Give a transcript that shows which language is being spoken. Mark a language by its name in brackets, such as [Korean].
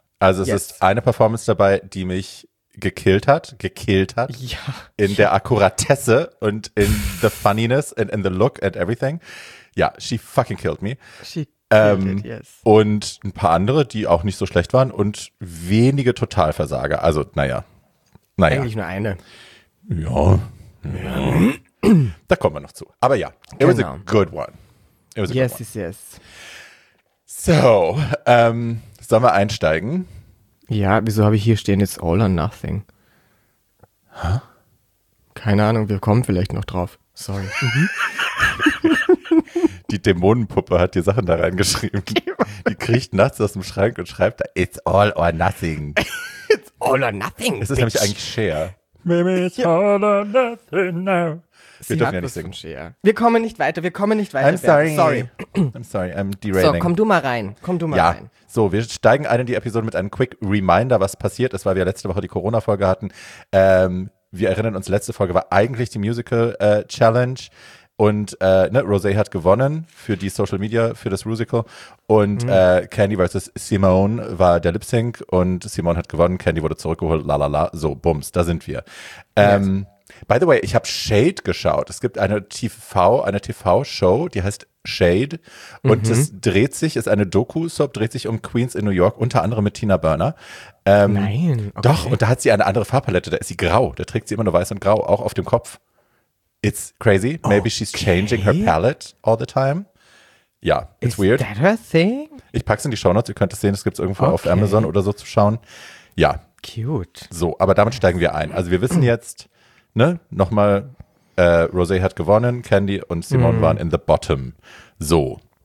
[German] Also es ist eine Performance dabei, die mich gekillt hat. Ja. In der Akkuratesse und [English] in the funniness and in the look and everything. Ja, she fucking killed me. She killed it, yes. [German] Und ein paar andere, die auch nicht so schlecht waren und wenige Totalversager. Also, naja. Eigentlich nur eine. Ja. Da kommen wir noch zu. Aber ja, [English] it was a good one. Yes. [German] So, sollen wir einsteigen? Ja, wieso habe ich hier stehen, [English] it's all or nothing? Hä? [German] Keine Ahnung, wir kommen vielleicht noch drauf. [English] Sorry. [German] Die Dämonenpuppe hat die Sachen da reingeschrieben. Die kriecht nachts aus dem Schrank und schreibt da, [English] it's all or nothing. It's all or nothing, [German] das ist nämlich eigentlich Cher. [English] Maybe it's all or nothing now. [German] Wir dürfen ja nicht singen. Wir kommen nicht weiter. [English] I'm sorry, I'm derailing. [German] So, komm du mal rein. So, wir steigen ein in die Episode mit einem quick Reminder, was passiert ist, weil wir letzte Woche die Corona-Folge hatten. Wir erinnern uns, letzte Folge war eigentlich die Musical-Challenge. Und ne, Rosé hat gewonnen für die Social Media, für das Rusical. Und Candy versus Simone war der Lip Sync und Simone hat gewonnen, Candy wurde zurückgeholt, lalala, so, Bums, da sind wir. [English] By the way, [German] ich habe Shade geschaut. Es gibt eine TV-Show, die heißt Shade. Und es dreht sich, ist eine Doku-Soap, dreht sich um Queens in New York, unter anderem mit Tina Burner. Nein. Okay. Doch, und da hat sie eine andere Farbpalette. Da ist sie grau. Da trägt sie immer nur weiß und grau, auch auf dem Kopf. [English] It's crazy. Maybe okay. She's changing her palette all the time. Ja, yeah, it's is weird. Is that her thing? [German] Ich pack's in die Shownotes. Ihr könnt es sehen. Es gibt es irgendwo auf Amazon oder so zu schauen. Ja. [English] Cute. [German] So, aber damit steigen wir ein. Also wir wissen jetzt, ne, nochmal, Rosé hat gewonnen, Candy und Simone waren [English] in the bottom. [German] So.